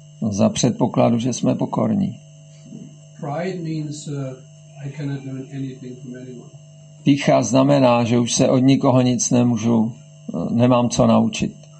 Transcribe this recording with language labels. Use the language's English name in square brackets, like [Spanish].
[Czech] Za předpokladu, že jsme pokorní. [English] Pride means I cannot learn anything from anyone. [Czech] Pýcha znamená, že už se od nikoho nic nemůžu, nemám co naučit.